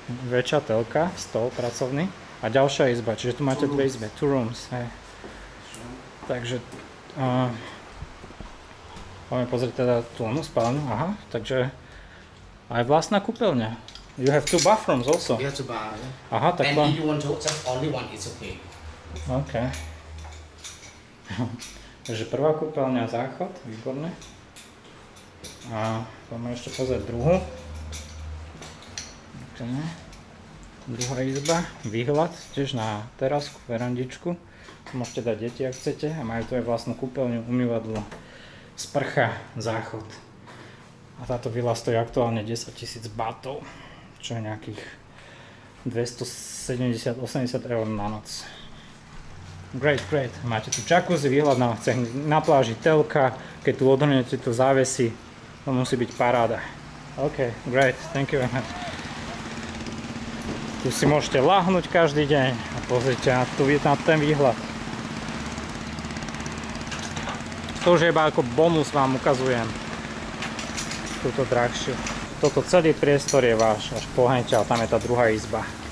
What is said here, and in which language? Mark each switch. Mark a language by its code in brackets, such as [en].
[sk] Väčšia telka, stol pracovný. A ďalšia izba, čiže tu máte dve izby. [en] Two rooms. Hey. [sk] Takže... Poďme pozrieť teda tú onú spálňu. Aha, takže... Aj vlastná kúpeľňa. [en] You have two bathrooms also? We have two bathrooms. [sk] Aha, tak [en] and if you want to just only one, it's okay. Okay. [sk] Takže prvá kúpeľňa, záchod, výborné. A poďme ešte pozrieť druhú. Okay. Druhá izba, výhľad tiež na terasku, verandičku. Môžete dať deti, ak chcete. A majú tu aj vlastnú kúpeľňu, umývadlo, sprcha, záchod. A táto vila stojí aktuálne 10 000 bátov, čo je nejakých 270-80 eur na noc. [en] Great, great. [sk] Máte tu jacuzzi, výhľad na, na pláži, telka, keď tu odhrnete tu závesy, to musí byť paráda. [en] OK, great, thank you very much. [sk] Tu si môžete lahnúť každý deň a pozrite na, tu, na ten výhľad. To už iba ako bonus vám ukazujem. Tuto drahšiu. Toto celý priestor je váš, až pohneťa a tam je tá druhá izba.